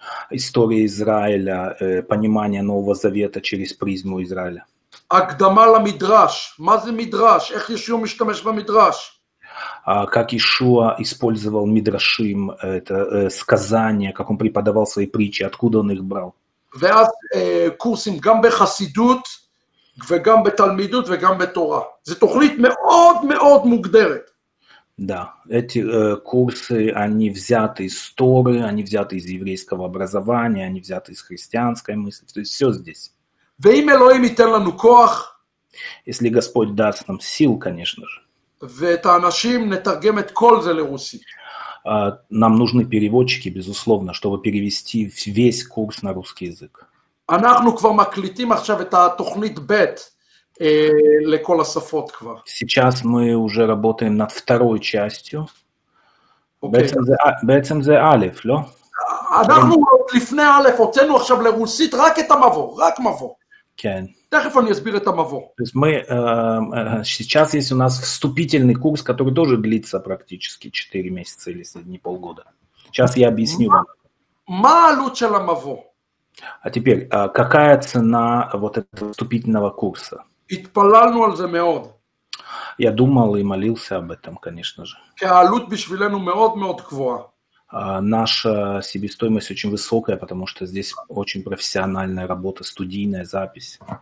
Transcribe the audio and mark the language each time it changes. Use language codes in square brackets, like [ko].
[ru] История Израиля, понимание Нового Завета через призму Израиля. [he] Агдамала Мидраш. Мазе Мидраш. Эх Ишуа мештамеш ва Мидраш. [ru] Как Ишуа использовал Мидрашим, это сказание, как он преподавал свои притчи, откуда он их брал. [he] ואז קורסים גם בחסידות וגם בתלמידות וגם בתורה. זו תוכנית מאוד מאוד מוגדרת. [ru] Да, эти курсы, они взяты из Торы, они взяты из еврейского образования, они взяты из христианской мысли. То есть все здесь. [he] ואם אלוהים ייתן לנו כוח, [ru] если Господь даст нам сил, конечно же. [he] ואת האנשים נתרגם את כל זה לרוסית. [ru] Нам нужны переводчики, безусловно, чтобы перевести весь курс на русский язык. [he] אנחנו כבר מקליטים עכשיו את התוכנית ב' לכל השפות כבר. [ru] Сейчас мы уже работаем над 2-й частью. [he] בעצם זה א', לא? אנחנו עוד לפני א', הוצאנו עכשיו לרוסית רק את המבוא, רק מבוא. כן. תכף אני אסביר את המבוא. [ru] אז мы сейчас есть у нас вступительный курс, который тоже длится практически 4 месяца или не полгода. Сейчас я объясню вам. [he] מה העלות של המבוא? [ru] А теперь, какая цена вот этого вступительного курса? [he] התפללנו על זה מאוד. [ru] Я думал и молился об этом, конечно же. [he] העלות בשבילנו מאוד מאוד גבוהה. [ru] Наша себестоимость очень высокая, потому что здесь очень профессиональная работа, студийная запись.